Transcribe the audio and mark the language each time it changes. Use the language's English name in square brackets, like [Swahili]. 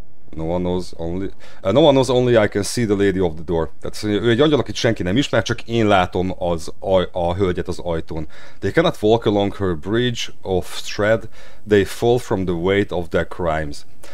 [English] No one knows only I can see the lady of the door. [Hungarian] Tehát azt mondja, ő egy angyal, akit senki nem ismer, csak én látom az a hölgyet az ajtón. [English] They cannot walk along her bridge of thread. They fall from the weight of their crimes.